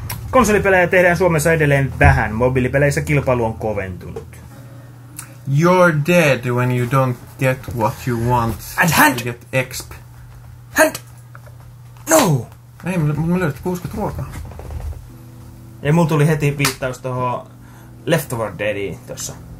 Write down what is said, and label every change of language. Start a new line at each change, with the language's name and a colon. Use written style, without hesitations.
Finnish: Konsolipelejä tehdään Suomessa edelleen vähän. Mobiilipeleissä kilpailu on koventunut.
English: You're dead when you don't get what you want. And hand! You get exp. Hand! No!
Finnish: Ei, mutta me löydät 60 ruokaa. Ja mulla tuli heti viittaus tohon Left 4 Deadiin tossa.